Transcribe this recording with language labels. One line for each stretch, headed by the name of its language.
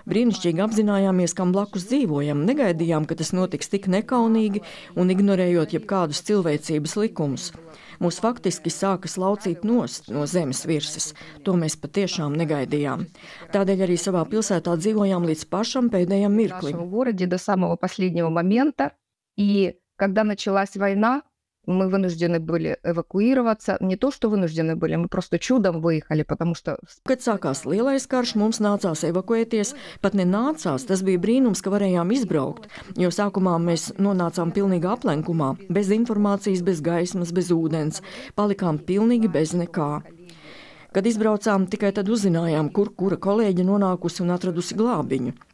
Latvian: Brīnišķīgi apzinājāmies, kam blakus dzīvojam, negaidījām, ka tas notiks tik nekaunīgi un ignorējot jebkādus cilvēcības likumus. Mūs faktiski sākas laucīt nost no zemes virsas. To mēs patiešām negaidījām. Tādēļ arī savā pilsētā dzīvojām līdz pašam pēdējam mirklim.
Russian: Vorodi do samego последнего момента, и когда началась война, мы вынуждены были эвакуироваться, не то что вынуждены были, мы просто чудом выехали, потому что
Latvian: Kad sākās lielais karš, mums nācās evakuēties, pat nenācās, tas bija brīnums, ka varējām izbraukt, jo sākumā mēs nonācām pilnīgi aplenkumā, bez informācijas, bez gaismas, bez ūdens, palikām pilnīgi bez nekā. Kad izbraucām, tikai tad uzzinājām, kur kura kolēģa nonākusi un atradusi glābiņu.